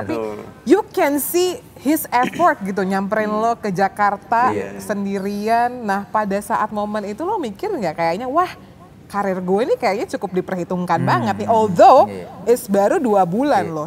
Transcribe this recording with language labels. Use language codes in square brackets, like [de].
[id] Tapi [en] you can see his effort gitu. [id] Nyamperin lo ke Jakarta sendirian. Nah pada saat momen itu lo mikir gak kayaknya, wah karir gue ini kayaknya cukup diperhitungkan banget nih. [en] Although it's [id] baru 2 bulan loh.